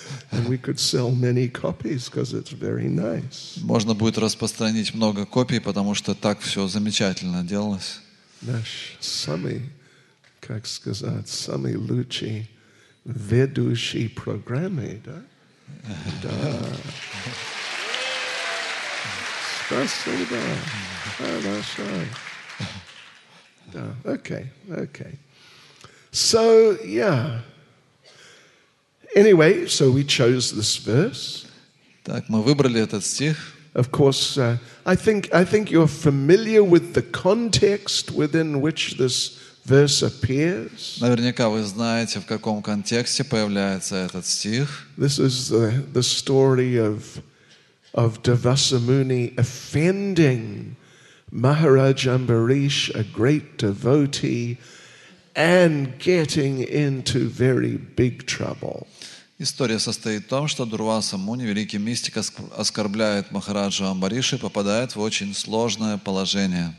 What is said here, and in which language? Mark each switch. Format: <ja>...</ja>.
<en>And we could sell many copies because it's very nice.</en> <ru>Можно будет распространить много копий, потому что так все замечательно делалось. Наш самый, как сказать, самый лучший ведущий программы, да? Да. Спасибо. Хорошо. Да, окей, окей.</ru> <en>So, yeah. Anyway, so we chose this verse.</en> <ru>Так, мы выбрали этот стих.</ru> <en>Of course, I think you're familiar with the context within which this verse appears.</en> <ru>Наверняка вы знаете, в каком контексте появляется этот стих.</ru> <en>This is the story of Devasamuni offending Maharaj Ambarish, a great devotee, and getting into very big trouble.</en> <ru>История состоит в том, что Дурваса Муни, великий мистик, оскорбляет Махараджу Амбариша и попадает в очень сложное положение.</ru>